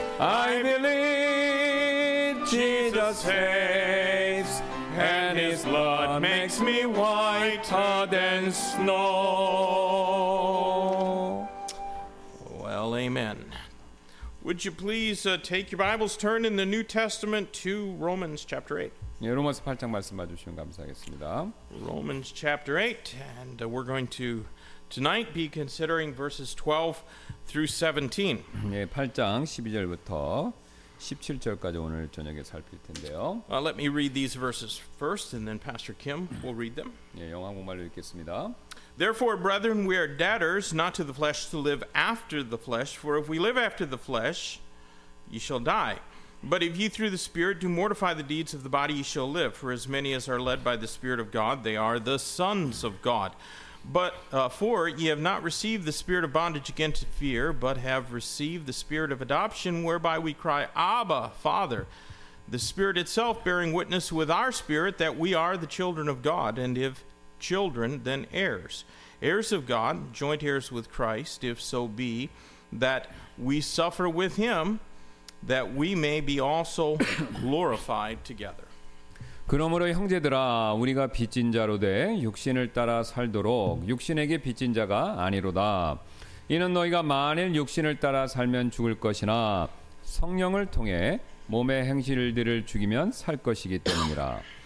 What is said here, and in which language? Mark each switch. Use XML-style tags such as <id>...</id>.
<en>I believe Jesus saves, and his blood makes me whiter than snow. Well, amen. Would you please take your Bibles, turn in the New Testament to Romans chapter 8.</en> <ko>예, 로마서 8장 말씀 봐주시면 감사하겠습니다.</ko> <en>Romans chapter 8, and we're going to tonight be considering verses 12 through 17.</en> <ko>예, 8장 12절부터 17절까지 오늘 저녁에 살필 텐데요.</ko> <en>Let me read these verses first, and then Pastor Kim will read them.</en> <ko>예, 영화공말로 읽겠습니다.</ko> <en>Therefore, brethren, we are debtors, not to the flesh, to live after the flesh. For if we live after the flesh, ye shall die. But if ye through the Spirit do mortify the deeds of the body, ye shall live. For as many as are led by the Spirit of God, they are the sons of God. But for ye have not received the spirit of bondage again to fear, but have received the spirit of adoption, whereby we cry, Abba, Father. The Spirit itself bearing witness with our spirit that we are the children of God. And if children, then heirs, heirs of God, joint heirs with Christ, if so be that we suffer with him, that we may be also glorified together.</en> <ko>그러므로 형제들아, 우리가 빚진 자로 돼 육신을 따라 살도록 육신에게 빚진 자가 아니로다. 이는 너희가 만일 육신을 따라 살면 죽을 것이나 성령을 통해 몸의 행실들을 죽이면 살 것이기 때문이라.</ko>